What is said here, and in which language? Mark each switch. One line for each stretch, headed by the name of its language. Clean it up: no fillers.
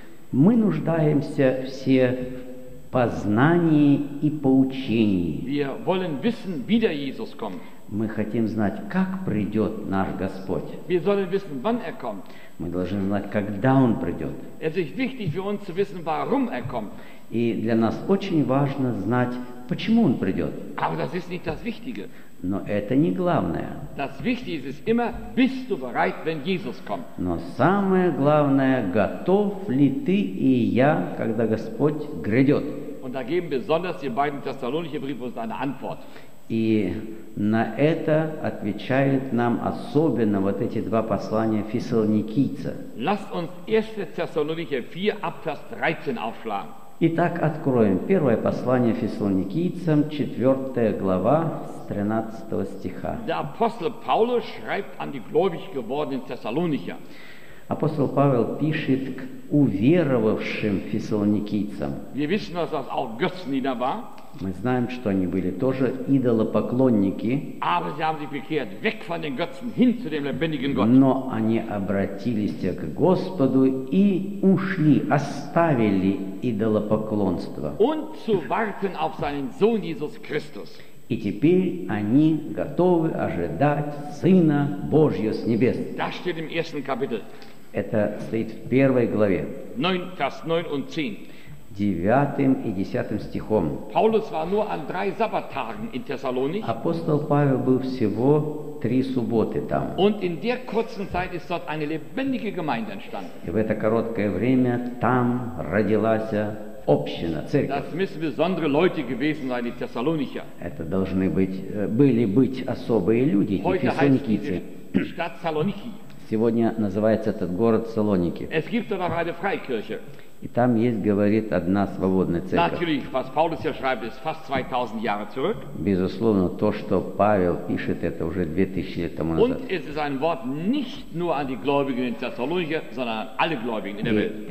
Russian: Мы нуждаемся все в познании и поучении.
German: Wir wollen wissen, wie der Jesus kommt.
Russian: Мы хотим знать, как придет наш Господь.
German: Wir sollen wissen, wann er kommt.
Russian: Мы должны знать, когда Он придет.
German: Es ist wichtig für uns zu wissen, warum er kommt.
Russian: И для нас очень важно знать, почему Он придет.
German: Aber das ist nicht das Wichtige.
Russian: Но это не главное.
German: Das Wichtige ist immer, bist du bereit, wenn Jesus kommt.
Russian: Но самое главное, готов ли ты и я, когда Господь грядет.
German: Und da geben besonders die beiden Thessalonicher Briefe uns eine Antwort.
Russian: И на это отвечают нам особенно вот эти два послания Фессалоникийца.
German: Lasst uns 1. Thessalonicher 4 ab Vers 13 aufschlagen.
Russian: Итак, откроем первое послание Фессалоникийцам, 4 глава, с 13 стиха.
German: Der Apostel Paulus schreibt an die gläubig gewordenen Thessalonicher.
Russian: Апостол Павел пишет к уверовавшим Фессалоникийцам.
German: Wir wissen, dass das auch Götzendiener war.
Russian: Мы знаем, что они были тоже идолопоклонники.
German: Aber sie haben sich bekehrt, weg von den Götzen, hin zu dem lebendigen Gott.
Russian: Но они обратились к Господу и ушли, оставили идолопоклонство.
German: Und zu warten auf seinen Sohn Jesus Christus.
Russian: И теперь они готовы ожидать Сына Божьего с небес.
German: Das steht im ersten Kapitel.
Russian: Это стоит в первой главе.
German: 9, Vers 9 und 10.
Russian: 9 и 10 стихом.
German: Paulus war nur an drei Sabbattagen in Thessalonik.
Russian: Апостол Павел был всего три субботы там.
German: Und in der kurzen Zeit ist dort eine lebendige Gemeinde entstanden.
Russian: И в это короткое время там родилась община, церковь.
German: Das müssen besondere Leute gewesen sein, die Thessalonicher.
Russian: Это должны были быть особые люди, фессалоникийцы.
German: Heute heißt die Stadt Thessaloniki.
Russian: Сегодня называется этот город Салоники.
German: Es gibt dort auch eine Freikirche.
Russian: И там есть, говорит, одна свободная церковь.
German: Natürlich, was Paulus hier schreibt, ist fast 2000 Jahre zurück.
Russian: Безусловно, то, что Павел пишет, это уже 2000 лет тому назад.
German: Und es ist ein Wort nicht nur an die Gläubigen in Thessalonicher, sondern an alle Gläubigen in der Welt.